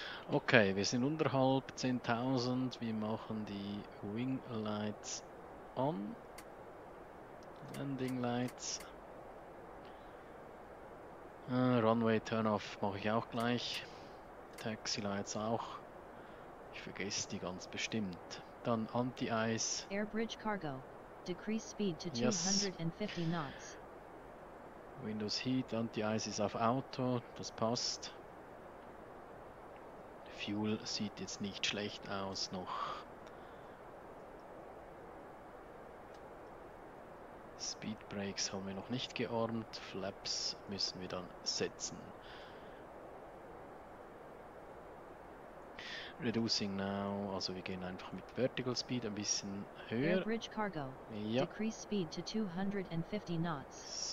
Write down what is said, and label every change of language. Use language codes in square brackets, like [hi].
[de] Okay, wir sind unterhalb 10.000. Wir machen die Wing Lights an. Landing Lights. Runway Turnoff mache ich auch gleich. Taxi Lights auch. Ich vergesse die ganz bestimmt. Dann Anti-Ice. [en] Airbridge Cargo. Decrease speed to 250 knots. [de] Windows Heat. Anti-Ice ist auf Auto. Das passt. Fuel sieht jetzt nicht schlecht aus noch. Speed Brakes haben wir noch nicht gearmt. Flaps müssen wir dann setzen. [en] Reducing now, [de] also wir gehen einfach mit Vertical Speed ein bisschen höher. [en] Airbridge Cargo. [de] Ja. [en] Decrease speed to 250 knots.